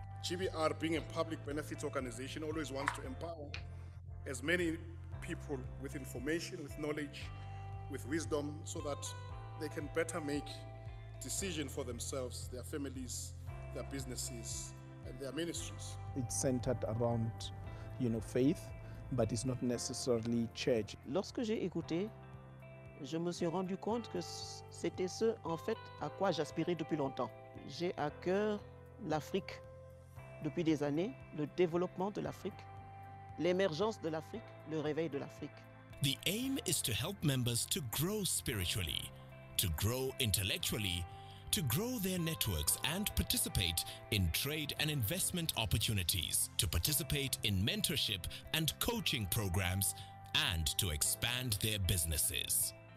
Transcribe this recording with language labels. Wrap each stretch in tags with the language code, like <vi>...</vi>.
<en>GBR, being a public benefits organization, always wants to empower as many people with information, with knowledge, with wisdom, so that they can better make decisions for themselves, their families, their businesses, and their ministries. It's centered around, you know, faith, but it's not necessarily church.</en> <fr>Lorsque j'ai écouté, je me suis rendu compte que c'était ce en fait à quoi j'aspirais depuis longtemps. J'ai à cœur l'Afrique depuis des années, le développement de l'Afrique, l'émergence de l'Afrique, le réveil de l'Afrique.</fr> <en>The aim is to help members to grow spiritually, to grow intellectually, to grow their networks and participate in trade and investment opportunities, to participate in mentorship and coaching programs, and to expand their businesses.</en>